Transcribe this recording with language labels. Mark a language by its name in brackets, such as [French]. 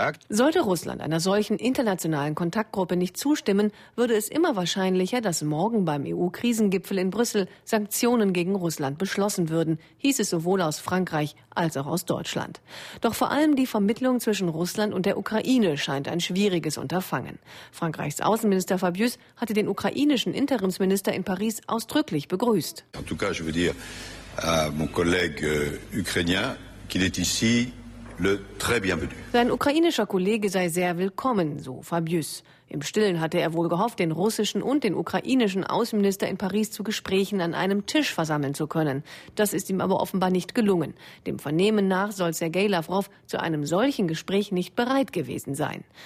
[German] Sollte Russland einer solchen internationalen Kontaktgruppe nicht zustimmen, würde es immer wahrscheinlicher, dass morgen beim EU-Krisengipfel in Brüssel Sanktionen gegen Russland beschlossen würden, hieß es sowohl aus Frankreich als auch aus Deutschland. Doch vor allem die Vermittlung zwischen Russland und der Ukraine scheint ein schwieriges Unterfangen. Frankreichs Außenminister Fabius hatte den ukrainischen Interimsminister in Paris ausdrücklich begrüßt. [French] In tout cas, je veux dire à mon collègue ukrainien qu'il est ici le très bienvenu. [German] Sein ukrainischer Kollege sei sehr willkommen, so Fabius. Im Stillen hatte er wohl gehofft, den russischen und den ukrainischen Außenminister in Paris zu Gesprächen an einem Tisch versammeln zu können. Das ist ihm aber offenbar nicht gelungen. Dem Vernehmen nach soll Sergei Lavrov zu einem solchen Gespräch nicht bereit gewesen sein.